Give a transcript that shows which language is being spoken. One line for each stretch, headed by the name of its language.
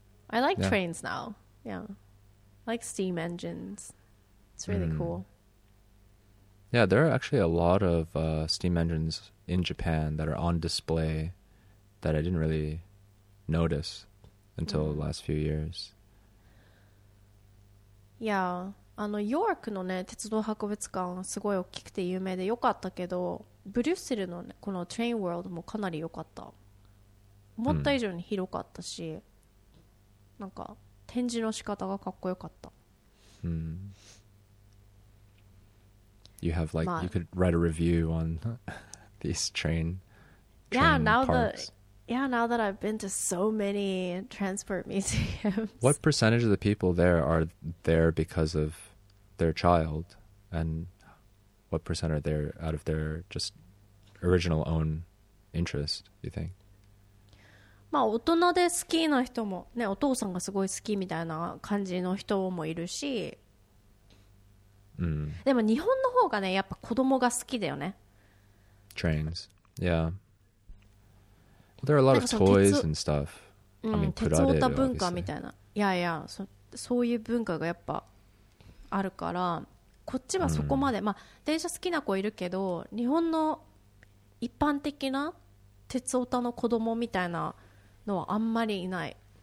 English: I like trains now. Yeah. I like steam engines. It's really cool. Yeah, there are actually a lot of steam engines in Japan that are on display that I didn't really notice until the last few years.
Japanese: Yeah, ヨークのね、鉄道博物館すごい大きくて有名で良かったけど、ブリュッセルのね、このトレインワールドもかなり良かった。思った以上に広かったし、なんか展示の仕方がかっこよかった。
English: You have like you could write a review on these train yeah, now parks. Yeah, now that I've been to so many transport museums. What percentage of the people there are there because of their child, and what percent are there out of their just original own interest, do you think?
Japanese: まあ、大人でスキーの人もね、お父さんがすごいスキーみたいな感じの人もいるし。でも日本の方がね、やっぱ子供が好きだよね。
English: Trains. Yeah. Well, there are a lot of toys and stuff. I mean,
Japanese: 鉄オタ文化みたいな。いやいや、そういう文化がやっぱあるから、こっちはそこまで、まあ、電車好きな子いるけど、日本の一般的な鉄オタの子供みたいなのはあんまりいない。